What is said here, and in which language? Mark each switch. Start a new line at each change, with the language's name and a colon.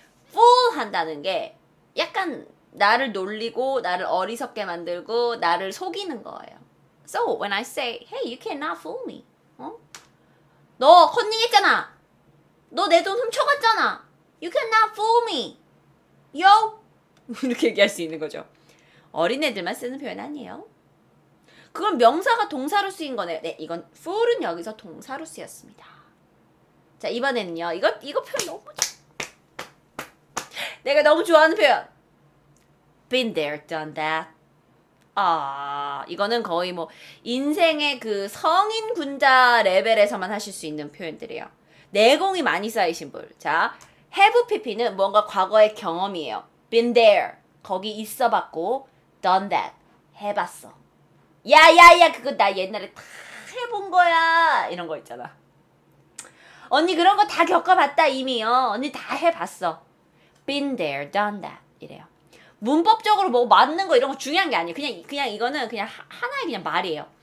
Korean: Fool 한다는 게 약간 나를 놀리고 나를 어리석게 만들고 나를 속이는 거예요.
English: So when I say, hey, you cannot fool me.
Korean: 어? 너 컨닝했잖아! 너 내 돈 훔쳐갔잖아!
English: You cannot fool me! Yo!
Korean: 이렇게 얘기할 수 있는 거죠. 어린애들만 쓰는 표현 아니에요. 그건 명사가 동사로 쓰인 거네요. 네, 이건 fool은 여기서 동사로 쓰였습니다. 자, 이번에는요. 이거 표현 너무 내가 너무 좋아하는 표현.
English: Been there, done that.
Korean: 아, 이거는 거의 뭐 인생의 그 성인 군자 레벨에서만 하실 수 있는 표현들이에요. 내공이 많이 쌓이신 분. 자, have PP는 뭔가 과거의 경험이에요.
English: Been there,
Korean: 거기 있어봤고,
English: done that,
Korean: 해봤어. 야야야 그거 나 옛날에 다 해본 거야 이런 거 있잖아. 언니 그런 거 다 겪어봤다 이미요. 언니 다 해봤어.
English: Been there, done that
Korean: 이래요. 문법적으로 뭐 맞는 거 이런 거 중요한 게 아니에요. 그냥 이거는 그냥 하나의 그냥 말이에요.